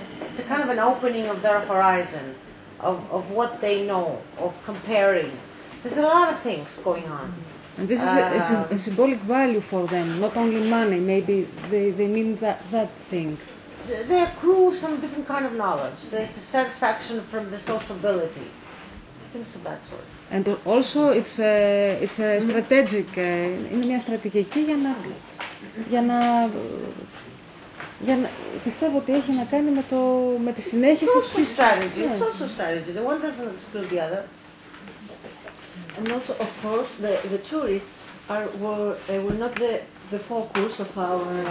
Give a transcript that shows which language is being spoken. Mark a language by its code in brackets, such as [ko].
[en] It's a kind of an opening of their horizon, of what they know, of comparing. There's a lot of things going on. And this is a symbolic value for them, not only money. Maybe they mean that thing. They accrue some different kind of knowledge. There's a satisfaction from the sociability, things of that sort. And also it's a strategic, [el] είναι μια στρατηγική για να πιστεύω ότι έχει να κάνει με τη συνέχιση [en] της... It's also strategy, yeah. It's also strategy. The one doesn't exclude the other. And also, of course, the tourists were not the focus of our...